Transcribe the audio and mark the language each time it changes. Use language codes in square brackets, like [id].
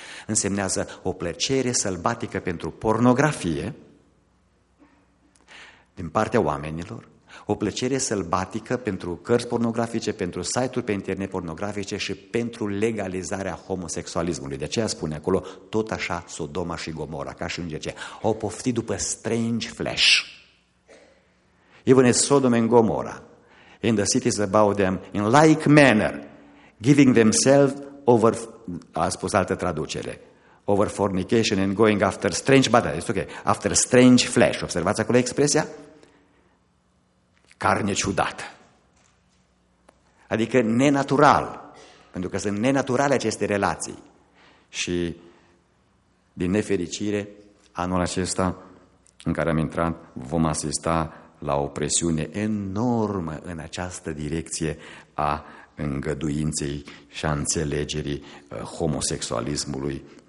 [ro] Însemnează o plăcere sălbatică pentru pornografie din partea oamenilor, o plăcere sălbatică pentru cărți pornografice, pentru site-uri pe internet pornografice și pentru legalizarea homosexualismului. De aceea spune acolo, tot așa Sodoma și Gomora, ca și îngerii, au poftit după [en] strange flesh. Even as Sodom and Gomorrah, in the cities about them, in like manner, giving themselves over, [ro] a spus altă traducere, [en] over fornication and going after strange, but it's okay, after strange flesh. [ro] Observați acolo expresia? Carne ciudată, adică nenatural, pentru că sunt nenaturale aceste relații și din nefericire anul acesta în care am intrat, vom asista la o presiune enormă în această direcție a îngăduinței și a înțelegerii homosexualismului.